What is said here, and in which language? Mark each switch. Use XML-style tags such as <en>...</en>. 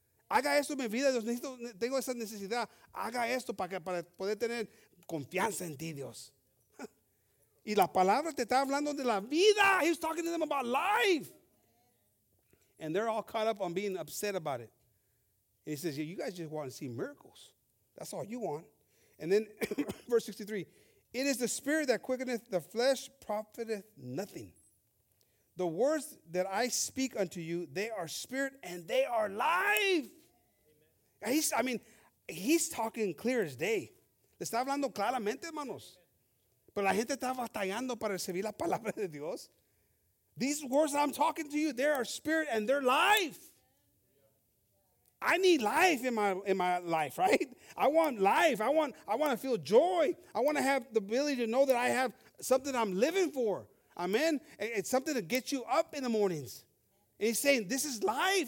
<es>Haga esto en mi vida, Dios, necesito, tengo esa necesidad. Haga esto para poder tener confianza en ti, Dios. Y la palabra te está hablando de la vida.</es> <en>He was talking to them about life. And they're all caught up on being upset about it. And he says, yeah, you guys just want to see miracles. That's all you want. And then, verse 63, it is the spirit that quickeneth, the flesh profiteth nothing. The words that I speak unto you, they are spirit and they are life. He's talking clear as day.</en> <es>Le está hablando claramente, hermanos. Pero la gente está batallando para recibir la palabra de Dios.</es> <en>These words that I'm talking to you, they are spirit and they're life. I need life in my life, right? I want life. I want to feel joy. I want to have the ability to know that I have something I'm living for. Amen. It's something to get you up in the mornings. And he's saying, this is life.</en>